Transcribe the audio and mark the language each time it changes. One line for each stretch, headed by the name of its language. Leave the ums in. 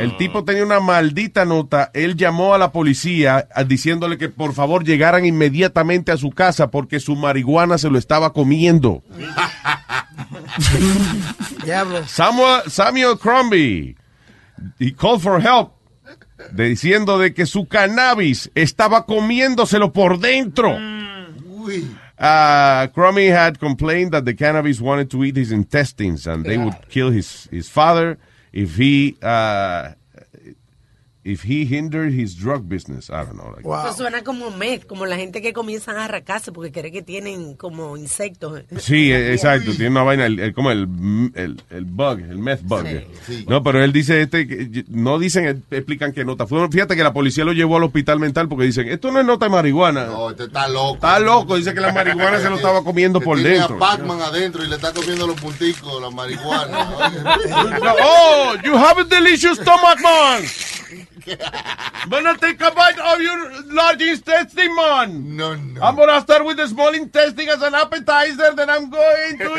Spanish: El tipo tenía una maldita nota, él llamó a la policía a, diciéndole que por favor llegaran inmediatamente a su casa porque su marihuana se lo estaba comiendo.
English: diablo. Samuel, Samuel Crombie, he called for help.
Spanish: diciendo de que su cannabis estaba comiéndoselo por dentro.
English: Uh, Crummy had complained that the cannabis wanted to eat his intestines and they yeah. would kill his, his father if he uh, If he hindered his drug business, I don't know. Like wow.
Spanish: Eso pues suena como meth, como la gente que comienza a arracarse porque cree que tienen como insectos. Sí, exacto, tiene una vaina, como el, el, el, el, bug, el meth bug. Sí. Sí. No, pero él dice, este, no dicen, explican qué nota. Fíjate que la policía lo llevó al hospital mental porque dicen, esto no es nota de marihuana. No, este está loco. Está loco, dice que la marihuana se lo estaba comiendo por dentro dentro. Tiene a Pac-Man no. adentro y le está comiendo los punticos la marihuana.
English: No. oh, you have a delicious stomach, man. I'm gonna take a bite of your large intestine, man. No, no. I'm gonna start with the small intestine as an appetizer, then I'm going to